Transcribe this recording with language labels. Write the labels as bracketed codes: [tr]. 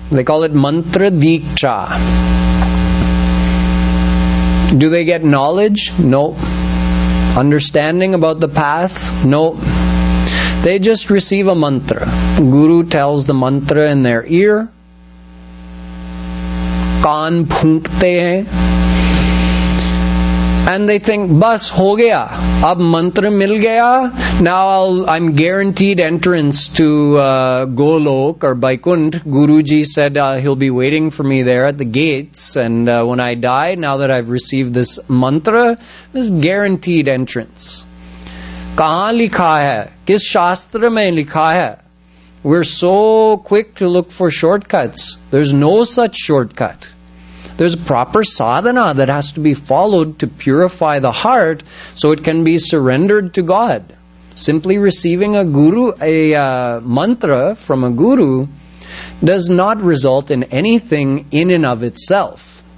[en] They call it mantra diksha. Do they get knowledge? No. Understanding about the path? No. They just receive a mantra. Guru tells the mantra in their ear. [hi] कान फूँकते है। [en] And they think, [hi] बस हो गया, अब मंत्र मिल गया, [en] now I'm guaranteed entrance to Golok or Vaikunth. Guruji said he'll be waiting for me there at the gates, and when I die, now that I've received this mantra, this guaranteed entrance. [hi] कहाँ लिखा है? किस शास्त्र में लिखा है? [en] We're so quick to look for shortcuts. There's no such shortcut. There's proper sadhana that has to be followed to purify the heart so it can be surrendered to God. Simply receiving a guru, a mantra from a guru does not result in anything in and of itself.